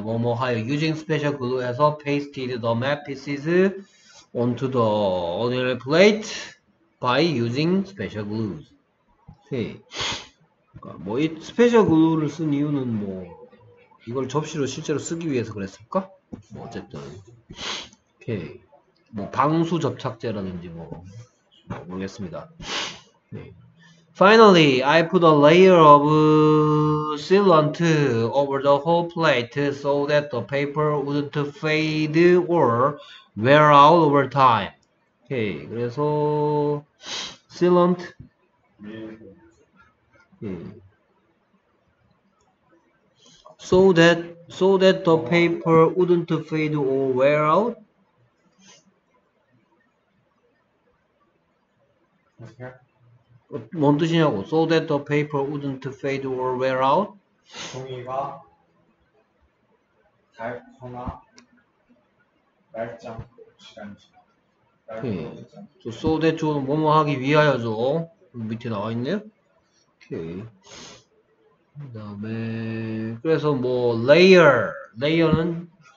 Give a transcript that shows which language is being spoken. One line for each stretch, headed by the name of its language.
Korean: 뭐뭐 하여
English: using special glue
Korean: 해서
English: pasted the map pieces onto the ordinary plate by using special glues.
Korean: 그러니까 뭐 이 special glue를 쓴 이유는 뭐 이걸 접시로 실제로 쓰기 위해서 그랬을까? 뭐 어쨌든 오케이. 뭐 방수 접착제라든지 뭐 모르겠습니다. 네.
English: Finally, I put a layer of sealant over the whole plate so that the paper wouldn't fade or wear out over time.
Korean: 오케이, 그래서 sealant. 네.
English: So that the paper wouldn't fade or wear out.
Korean: 뭔 뜻이냐고?
English: So that the paper wouldn't fade or wear out?
Korean: 종이가 얇거나 얇지 않고 시간이 지나. 오케이.
English: So that
Korean: 좀 뭐뭐 하기 위하여죠. 밑에 나와 있네요. 오케이. 그 다음에, 그래서 뭐, layer. layer는?